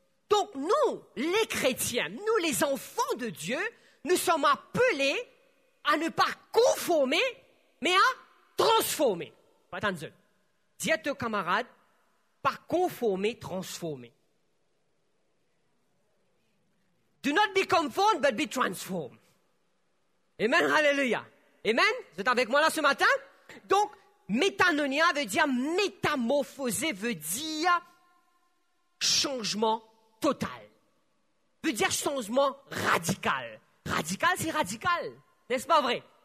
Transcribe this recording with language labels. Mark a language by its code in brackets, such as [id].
[fr] Donc nous, les chrétiens, nous les enfants de Dieu, nous sommes appelés à ne pas conformer, mais à transformer. Attention. Dis à tes camarades, pas conformer, transformer. [en] Do not be conformed, but be transformed. Amen, hallelujah. [fr] Amen, vous êtes avec moi là ce matin? Donc, métanoïa veut dire métamorphoser, veut dire changement total. Veut dire changement radical. Radical, c'est radical, n'est-ce pas vrai?